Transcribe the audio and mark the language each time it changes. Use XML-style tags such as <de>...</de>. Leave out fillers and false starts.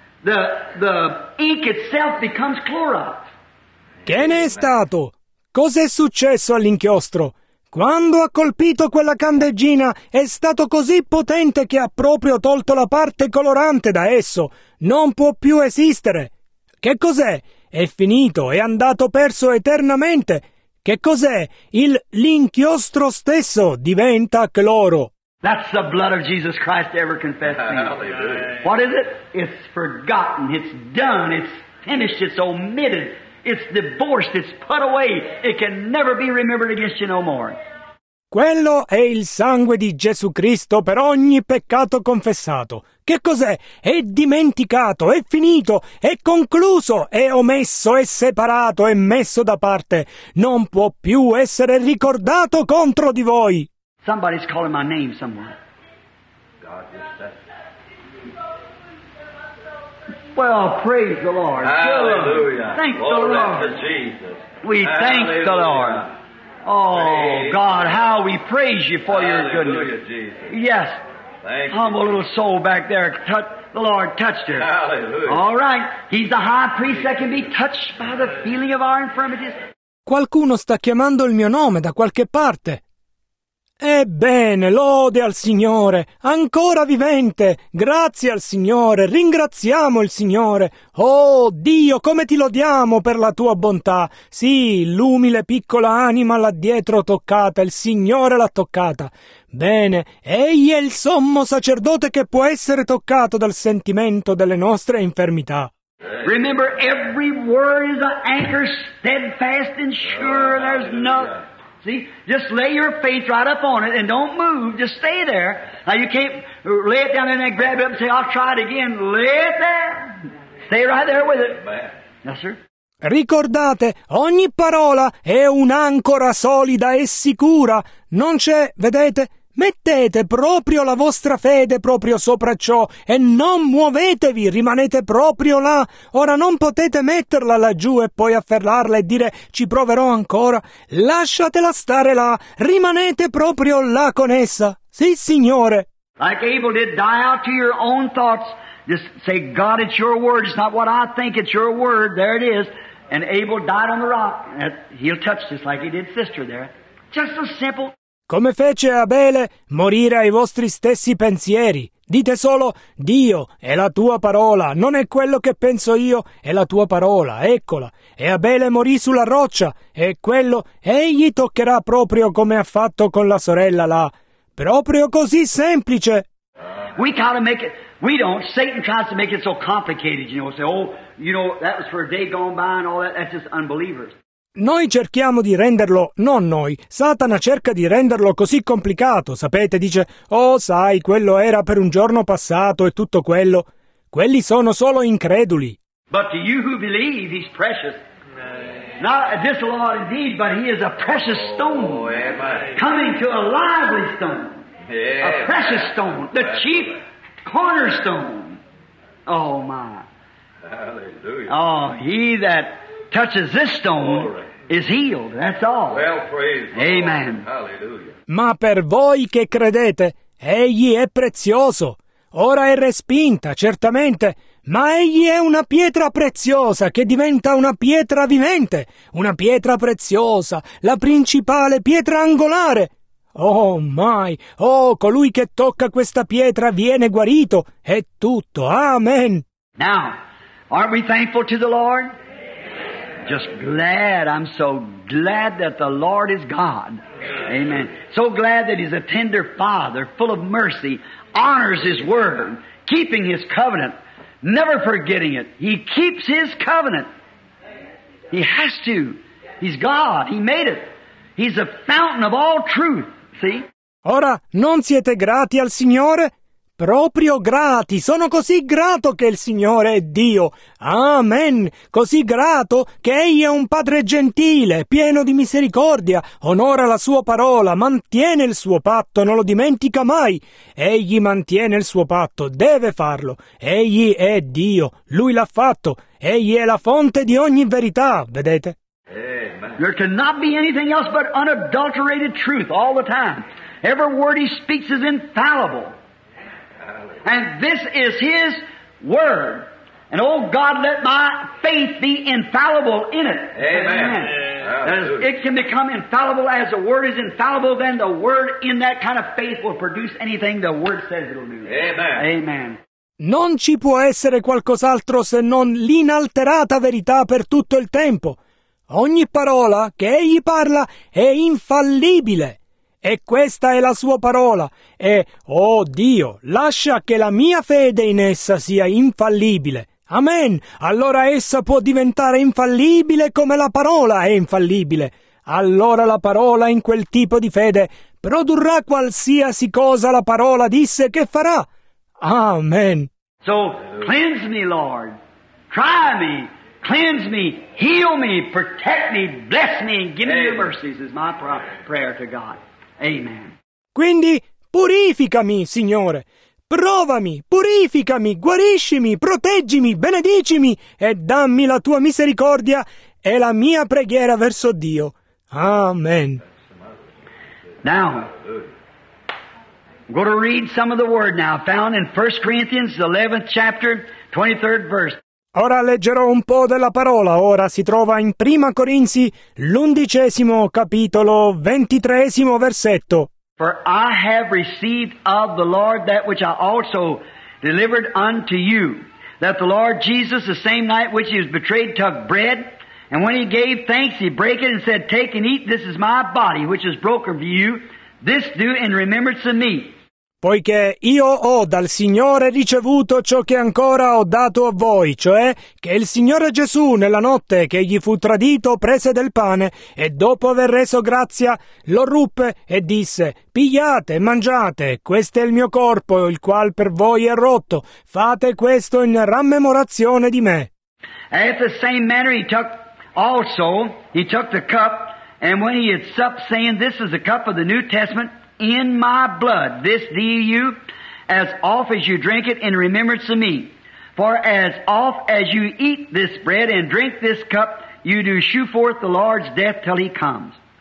<en>The ink itself becomes Clorox.</en> <it>Che ne è stato? Cos'è successo all'inchiostro? Quando ha colpito quella candeggina, è stato così potente che ha proprio tolto la parte colorante da esso. Non può più esistere. Che cos'è? È finito, è andato perso eternamente. Che cos'è? L'inchiostro stesso diventa cloro.</it> <en>That's the blood of Jesus Christ ever confessed to me. What is it? It's forgotten, it's done, it's finished, it's omitted. It's divorced, it's put away. It can never be remembered against you no more.</en> <it>Quello è il sangue di Gesù Cristo per ogni peccato confessato. Che cos'è? È dimenticato, è finito, è concluso, è omesso, è separato, è messo da parte. Non può più essere ricordato contro di voi.</it> <en>Somebody's calling my name somewhere. God just said. Well, praise the Lord. Hallelujah. Thank the Lord. Jesus. We thank the Lord. Oh, God, how we praise you for your goodness. Jesus. Yes. Humble little soul back there, the Lord touched her. Hallelujah. All right. He's the high priest that can be touched by the feeling of our infirmities.</en> <it>Qualcuno sta chiamando il mio nome da qualche parte. Ebbene, lode al Signore, ancora vivente, grazie al Signore, ringraziamo il Signore. Oh Dio, come ti lodiamo per la tua bontà. Sì, l'umile piccola anima là dietro toccata, il Signore l'ha toccata. Bene, egli è il sommo sacerdote che può essere toccato dal sentimento delle nostre infermità.</it> <en>Remember, every word is an anchor, steadfast and sure, there's no... See, just lay your faith right up on it and don't move. Just stay there. Now, you can't lay it down there and grab it up and say, I'll try it again. Lay it there. Stay right there with it. Yes, sir.</en> <it>Ricordate, ogni parola è un'ancora solida e sicura. Non c'è, vedete? Mettete proprio la vostra fede proprio sopra ciò e non muovetevi, rimanete proprio là. Ora non potete metterla laggiù e poi afferrarla e dire ci proverò ancora. Lasciatela stare là, rimanete proprio là con essa. Sì, Signore.</it> <en>Like Abel did, die out to your own thoughts. Just say, God, it's your word, it's not what I think, it's your word, there it is. And Abel died on the rock. He'll touch this like he did sister there. Just so simple.</en> <it>Come fece Abele, morire ai vostri stessi pensieri. Dite solo, Dio, è la tua parola, non è quello che penso io, è la tua parola, eccola. E Abele morì sulla roccia, e quello, egli toccherà proprio come ha fatto con la sorella là. Proprio così semplice.</it> <en>We try to make it, we don't, Satan tries to make it so complicated, you know, say, oh, you know, that was for a day gone by and all that, that's just unbelievers.</en> <it>Noi cerchiamo di renderlo, non noi, Satana cerca di renderlo così complicato, sapete, dice, oh sai, quello era per un giorno passato e tutto quello. Quelli sono solo increduli.</it> <en>But to you who believe, he's precious. Not this Lord indeed, but he is a precious stone. Coming to a lively stone. A precious stone. The chief cornerstone. Oh my. Hallelujah. Oh, he that touches this stone is healed, that's all. Well, praise the Amen. Lord. Hallelujah.</en> <it>Ma per voi che credete, egli è prezioso. Ora è respinta, certamente, ma egli è una pietra preziosa che diventa una pietra vivente, una pietra preziosa, la principale pietra angolare. Oh, mai! Oh, colui che tocca questa pietra viene guarito, è tutto. Amen.</it> <en>Now, aren't we thankful to the Lord? Just glad, I'm so glad that the Lord is God. Amen. So glad that He's a tender Father, full of mercy, honors His Word, keeping His covenant, never forgetting it. He keeps His covenant. He has to. He's God. He made it. He's the fountain of all truth. See?</en> <it>Ora, non siete grati al Signore? Proprio grati, sono così grato che il Signore è Dio. Amen. Così grato che Egli è un Padre gentile, pieno di misericordia, onora la Sua parola, mantiene il Suo patto, non lo dimentica mai. Egli mantiene il Suo patto, deve farlo. Egli è Dio, Lui l'ha fatto. Egli è la fonte di ogni verità, vedete? Amen.</it> <en>There cannot be anything else but unadulterated truth all the time. Every word He speaks is infallible. And this is His Word. And oh God, let my faith be infallible in it. Amen. Amen. It can become infallible as the Word is infallible, then the Word in that kind of faith will produce anything the Word says it'll do. Amen. Amen.</en> <it>Non ci può essere qualcos'altro se non l'inalterata verità per tutto il tempo. Ogni parola che Egli parla è infallibile. E questa è la sua parola, e, oh Dio, lascia che la mia fede in essa sia infallibile. Amen! Allora essa può diventare infallibile come la parola è infallibile. Allora la parola in quel tipo di fede produrrà qualsiasi cosa la parola disse che farà. Amen.</it> <en>So, cleanse me, Lord. Try me. Cleanse me. Heal me. Protect me. Bless me. And give me your mercies is my prayer to God. Amen.</en> <it>Quindi, purificami, Signore. Provami, purificami, guariscimi, proteggimi, benedicimi e dammi la tua misericordia e la mia preghiera verso Dio. Amen.</it> <en>Now, I'm going to read some of the word now, found in 1 Corinthians 11th chapter, 23rd verse.</en> <it>Ora leggerò un po' della parola, ora si trova in 1 Corinzi, l'undicesimo capitolo, 23esimo versetto.</it> <en>For I have received of the Lord that which I also delivered unto you, that the Lord Jesus, the same night which he was betrayed, took bread, and when he gave thanks, he broke it and said, Take and eat, this is my body which is broken for you, this do in remembrance of me.</en> <it>Poiché io ho dal Signore ricevuto ciò che ancora ho dato a voi, cioè che il Signore Gesù, nella notte che egli fu tradito, prese del pane e dopo aver reso grazia, lo ruppe e disse, Pigliate, mangiate, questo è il mio corpo, il qual per voi è rotto, fate questo in rammemorazione di me.</it> <en>At the same manner he took also, he took the cup, and when he had supped, saying, This is the cup of the New Testament, In my blood, this do you, as oft as you drink it, in remembrance of me. For as oft as you eat this bread and drink this cup, you do shew forth the Lord's death till he comes.</en>